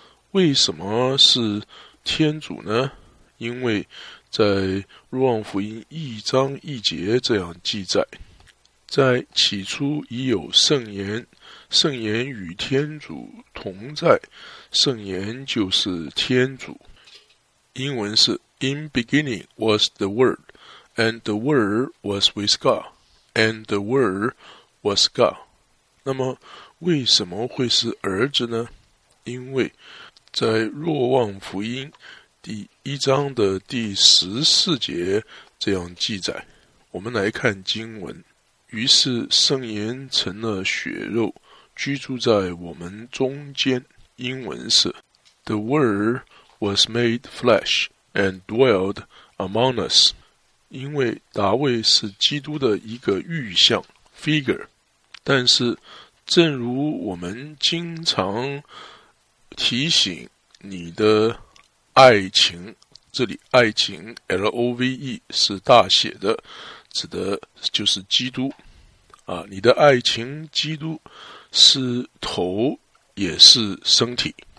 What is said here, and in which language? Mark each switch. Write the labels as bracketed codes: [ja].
[zh] 为什么是天主呢？因为在若望福音一章一节这样记载，在起初已有圣言，圣言与天主同在，圣言就是天主。英文是 [en] In beginning was the word, and the word was with God, and the word was God. [zh] 那么为什么会是儿子呢？因为在若望福音第一章的第十四节这样记载，我们来看经文，于是圣言成了血肉，居住在我们中间。英文是 [en] The word was made flesh and dwelled among us. [zh] 因为达味是基督的一个预象 figure， 但是正如我们经常提醒你的爱情，这里爱情 L-O-V-E 是大写的，指的就是基督啊，你的爱情基督是头也是身体。